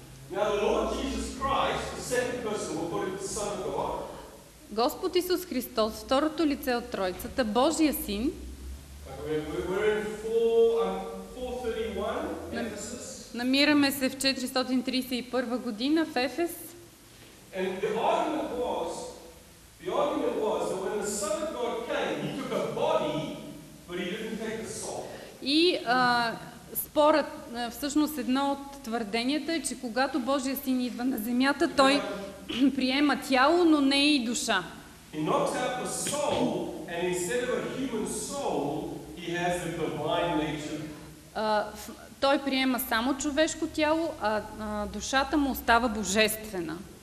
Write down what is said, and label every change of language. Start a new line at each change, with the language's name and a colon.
English: Now the Lord Jesus Christ, the second person, we'll call it the Son of God.
Bulgarian: Господ Исус Христос, второто лице от Троицата, Божия Син.
English: We're in 431, Ephesus.
Bulgarian: Намираме се в 431 година в Ефес.
English: And the argument was that when the Son of God came, he took a body, but he didn't take the soul.
Bulgarian: И спорът, всъщност едно от твърденията е, че когато Божия Син идва на земята, той приема тяло, но не и душа.
English: He knocks out the soul, and instead of a human soul, he has a divine nature.
Bulgarian: Той приема само човешко тяло, а душата му остава божествена.